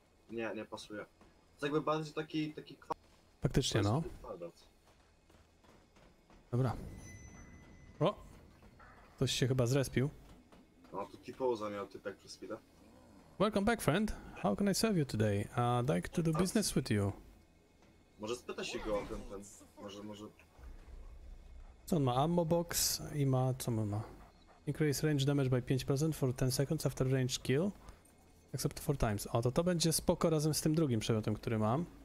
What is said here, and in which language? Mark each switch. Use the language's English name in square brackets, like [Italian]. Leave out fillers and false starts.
[Polish] Nie, nie pasuje. To jakby bardziej taki kwadrat. Faktycznie no. Dobra. O! Ktoś się chyba zrespił. No, tu typoza miał typek przez chwilę. [English] Welcome back, friend. How can I serve you today? I'd like to do business with you. [Polish] Może spyta się go o ten. Może. Co on ma? Ammo box i ma. Co on ma? [English] Increase range damage by 5% for 10 seconds after range kill. Except 4 times. [Polish] O, to będzie spoko razem z tym drugim przedmiotem, który mam.